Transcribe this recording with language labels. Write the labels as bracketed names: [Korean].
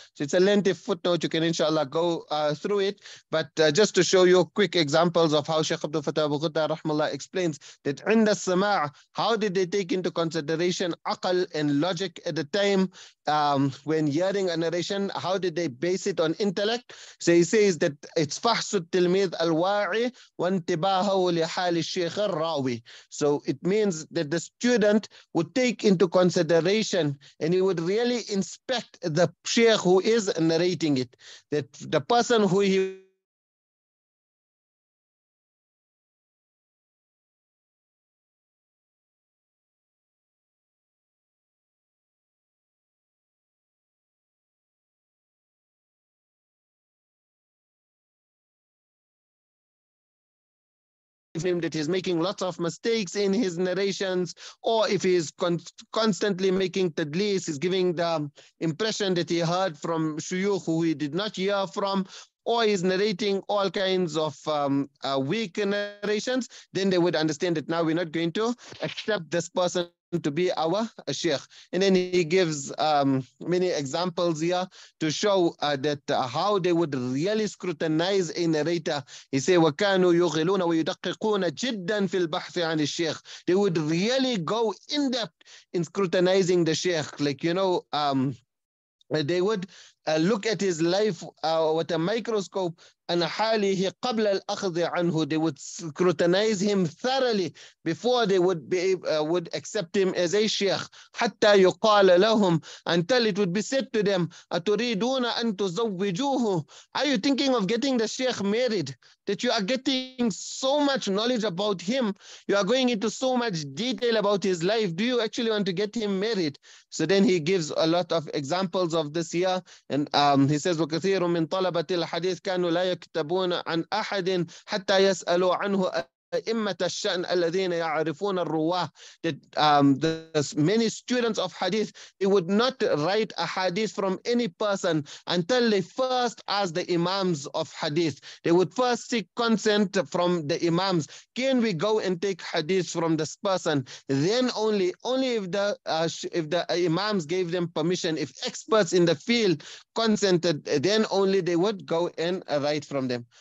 [English] So it's a lengthy footnote. You can inshallah go through it. But just to show you quick examples of how Shaykh Abdul Fattah Abu Ghuddah rahmullah explains that [Arabic] عند السماع, [English] how did they take into consideration aql and logic at the time when hearing a narration? How did they base it on intellect? So he says that it's [Arabic] فحص التلميذ الواعي وانتباهه لحال الشيخ الراوي. [English] So it means that the student would take into consideration and he would really inspect the sheikh who is narrating it, that the person who he him that he's making lots of mistakes in his narrations, or if he's constantly making tadlis, he's giving the impression that he heard from shuyukh who he did not hear from, or he's narrating all kinds of weak narrations, then they would understand that now we're not going to accept this person to be our sheikh. And then he gives many examples here to show that how they would really scrutinize a narrator. He say, [Arabic] وَكَانُوا يُغِلُونَ وَيُدَقِّقُونَ جِدًّا فِي الْبَحْثِ عَنِ الشَّيْخِ. [English] They would really go in-depth in scrutinizing the sheikh. Like, you know, they would look at his life with a microscope, and [Arabic] حاله قبل الأخذ عنه, [English] they would scrutinize him thoroughly before they would be would accept him as a sheikh. [Arabic] حتى يقال لهم, [English] until it would be said to them, [Arabic] أتريدون أن تزوجوه, [English] are you thinking of getting the sheikh married? That you are getting so much knowledge about him, you are going into so much detail about his life, do you actually want to get him married? So then he gives a lot of examples of this here, and he says, [Arabic] وكثير من طلبة الحديث كانوا لا يكتبون عن أحد حتى يسألوا عنه أئمة الشأن الذين يعرفون الرواه. [English] That many students of hadith, they would not write a hadith from any person until they first ask the imams of hadith. They would first seek consent from the imams. Can we go and take hadith from this person? Then only if the imams gave them permission, if experts in the field consented, then only they would go and write from them.